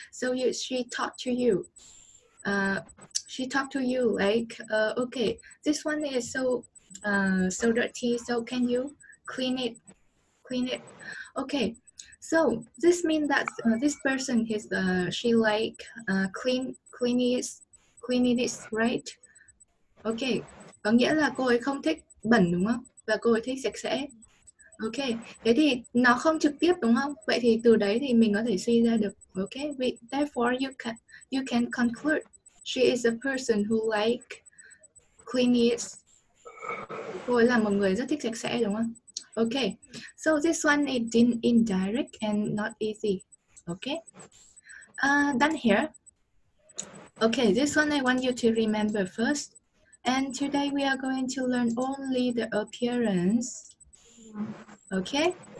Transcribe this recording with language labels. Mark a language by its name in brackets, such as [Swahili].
[English] So she talked to you like, okay, this one is so dirty, so can you clean it? Okay, so this means that this person is she likes cleanliness, right? [Vietnamese] Okay, có nghĩa là cô ấy không thích bẩn, đúng không? Và cô ấy thích sạch sẽ. Okay, thế thì nó không trực tiếp, đúng không? Vậy thì từ đấy thì mình có thể suy ra được, okay? [English] Therefore, you can conclude. She is a person who like cleanliness. [Vietnamese] Cô ấy là một người rất thích sạch sẽ, đúng không? [English] Okay. So this one is indirect and not easy. Okay. Done here. Okay, this one I want you to remember first. And today we are going to learn only the appearance. Okay.